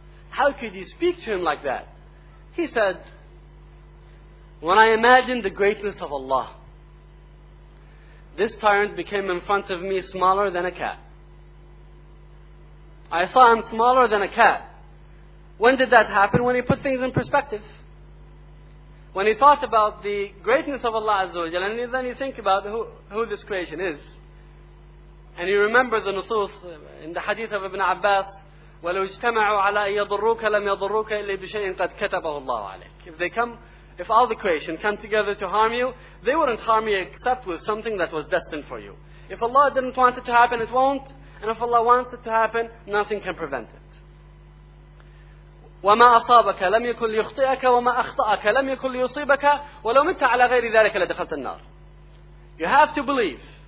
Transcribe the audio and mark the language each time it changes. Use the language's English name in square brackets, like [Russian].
[English] How could you speak to him like that?" He said, "When I imagined the greatness of Allah, this tyrant became in front of me smaller than a cat. I saw him smaller than a cat." When did that happen? When he put things in perspective. When he thought about the greatness of Allah Azza wa Jalla, and then you think about who this creation is. And you remember the nusus in the hadith of Ibn Abbas, [Arabic] وَلَوْ اجْتَمَعُوا عَلَىٰ يَضُرُّكَ لَمْ يَضُرُّكَ إِلَّا بِشَيْءٍ قَدْ كَتَبَهُ اللَّهُ عَلَيْكَ. [English] If all the creation come together to harm you, they wouldn't harm you except with something that was destined for you. If Allah didn't want it to happen, it won't. And if Allah wants it to happen, nothing can prevent it. [Arabic] وَمَا أَصَابَكَ لَمْ يَكُنْ لِيُخْطِئَكَ وَمَا أَخْطَأَكَ لَمْ يَكُنْ لِيُصِيبَكَ وَلَوْ مِتَّ عَلَى غَيْرِ ذَلِكَ لَدَخَلْتَ النَّارِ. [English] You have to believe.